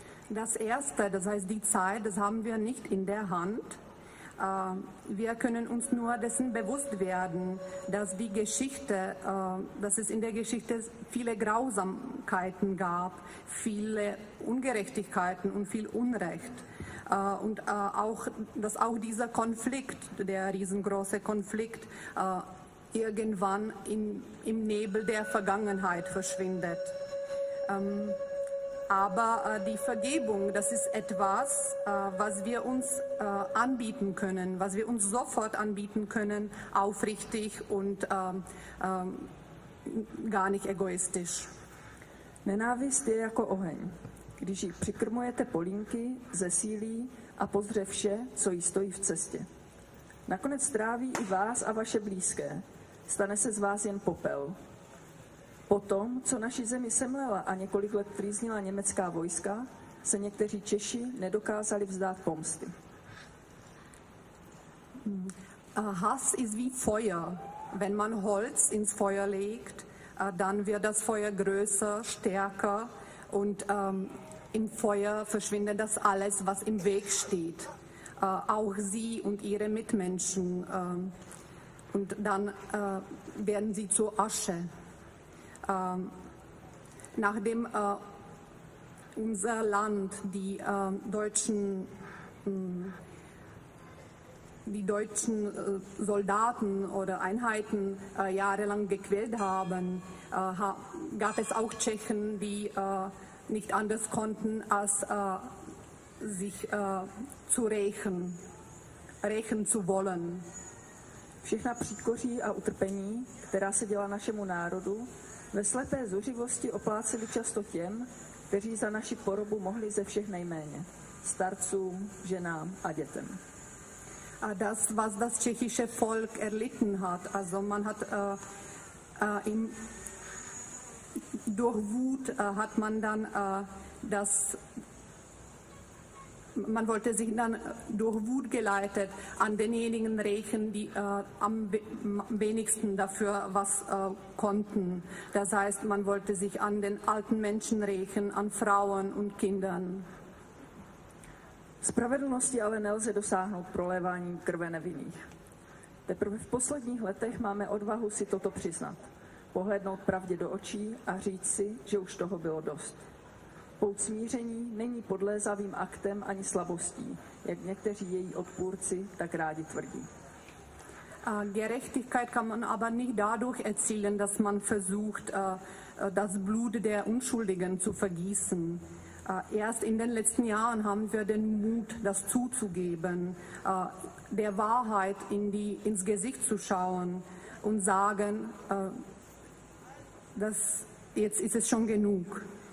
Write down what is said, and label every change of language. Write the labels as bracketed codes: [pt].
[de] Das erste, das heißt die Zeit, das haben wir nicht in der Hand. Wir können uns nur dessen bewusst werden, dass die Geschichte, dass es in der Geschichte viele Grausamkeiten gab, viele Ungerechtigkeiten und viel Unrecht. Und auch, dass auch dieser Konflikt, der riesengroße Konflikt, irgendwann im Nebel der Vergangenheit verschwindet. aber die Vergebung, das ist etwas, was wir uns anbieten können, was wir uns sofort anbieten können, aufrichtig und gar nicht egoistisch. [cs] Nenávist je jako oheň. Když ji přikrmujete polínky, zesílí a pozře vše, co jí stojí v cestě. Nakonec tráví i vás a vaše blízké. Stane se z vás jen popel. Po tom, co naši zemi semlela a několik let trýznila německá vojska, se někteří Češi nedokázali vzdát pomsty. [de] Hass ist wie Feuer. Wenn man Holz ins Feuer legt, dann wird das Feuer größer, stärker und im Feuer verschwindet das alles, was im Weg steht. Auch sie und ihre Mitmenschen. Und dann werden sie zur Asche. Nachdem unser Land, die deutschen Soldaten oder Einheiten jahrelang gequält haben, gab es auch Tschechen, die nicht anders konnten, als sich zu rächen, rächen zu wollen. [cs] Všechna příkoří a utrpení, která se děla našemu národu, ve slepé zuřivosti opláceli často těm, kteří za naši porobu mohli ze všech nejméně, starcům, ženám a dětem. [de] A das, was das tschechische Volk erlitten hat, also man hat im durch Wut hat man dann das, man wollte sich dann durch Wut geleitet an denjenigen rächen, die am wenigsten dafür was konnten. Das heißt, man wollte sich an den alten Menschen rächen, an Frauen und Kindern. [cs] Spravedlnosti ale nelze dosáhnout proléváním krve nevinných. Teprve v posledních letech máme odvahu si toto přiznat, pohlednout pravdě do očí a říct si, že už toho bylo dost. Pout smíření není podlézavým aktem ani slabostí, jak někteří její odpůrci tak rádi tvrdí. [de] Gerechtigkeit kann man aber nicht dadurch erzielen, dass man versucht, das Blut der Unschuldigen zu vergießen. Erst in den letzten Jahren haben wir den Mut, das zuzugeben, der Wahrheit ins Gesicht zu schauen und sagen, dass jetzt ist es schon genug.